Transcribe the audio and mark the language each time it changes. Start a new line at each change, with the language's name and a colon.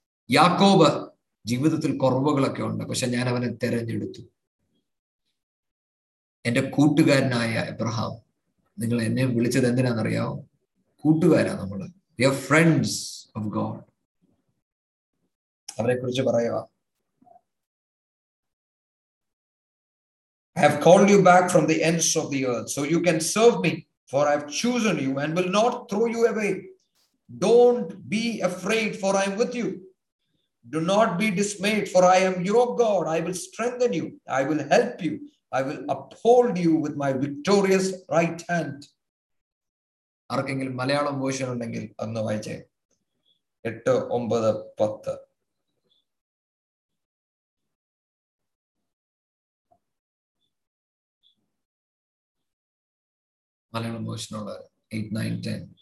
Malayalam: യാക്കോബ് ജീവിതത്തിൽ കുറവുകളൊക്കെ ഉണ്ട്, പക്ഷെ ഞാൻ അവനെ തിരഞ്ഞെടുത്തു. എന്റെ കൂട്ടുകാരനായ എബ്രഹാം, നിങ്ങൾ എന്നെ വിളിച്ചത് എന്തിനാണെന്നറിയാമോ? കൂട്ടുകാരാ നമ്മള്,
English: We are friends of God.
Malayalam: അവരെ കുറിച്ച് പറയുക,
English: I have called you back from the ends of the earth so you can serve me, for I have chosen you and will not throw you away. Don't be afraid, for I am with you. Do not be dismayed, for I am your God. I will strengthen you. I will help you. I will uphold you with my victorious right hand.
Malayalam: ആർക്കെങ്കിൽ Malayalam version ഉണ്ടെങ്കിൽ അന്ന് വായിച്ചേ. 8, 9, 10. മലയാളം വേർഷനുള്ള 8, 9, 10.